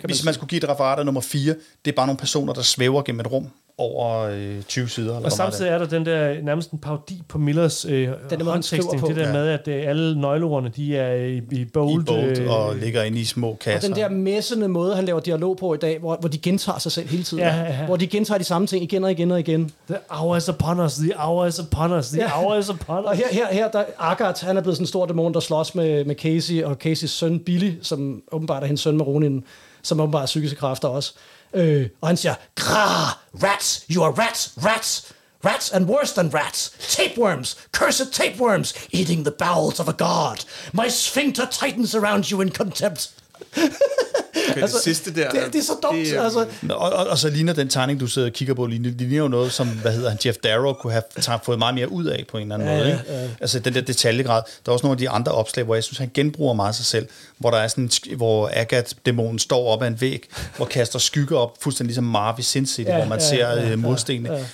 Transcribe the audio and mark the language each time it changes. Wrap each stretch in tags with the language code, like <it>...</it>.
<da>Hvis man skulle give et referat af nummer 4, det er bare nogle personer, der svæver gennem et rum over 20 sider. Og samtidig er der den der nærmest en parodi på Millers håndtekstning, det der med, at alle nøgleordene, de er i bold. Og ligger inde i små kasser. Og den der messende måde, han laver dialog på i dag, hvor de gentager sig selv hele tiden. Ja. Hvor de gentager de samme ting igen og igen og igen.</da> <en>The hour is upon us, the hour is upon us, the hour is upon us.</en> <da>Og her der Agat, han er blevet sådan en stor dæmon, der slås med Casey og Caseys søn Billy, som åbenbart er hendes søn med Ronin, som åbenbart er psykiske kræfter også. Og han siger,</da> <en>grrr, rats, you are rats, rats, rats and worse than rats, tapeworms, cursed tapeworms, eating the bowels of a god, my sphincter tightens around you in contempt.</en> <da>Okay, altså, det sidste der. Det er så dumt. Det, altså. Og så ligner den tegning, du sidder og kigger på, ligner jo noget, som, hvad hedder han, Jeff Darrow, kunne have fået meget mere ud af på en eller anden måde. Ikke? Altså den der detaljegrad. Der er også nogle af de andre opslag, hvor jeg synes, han genbruger meget sig selv. Hvor der er sådan, hvor Agat-dæmonen står op ad en væg, hvor kaster skygge op, fuldstændig ligesom Marvel Sin City, hvor man ser modstenene.</da>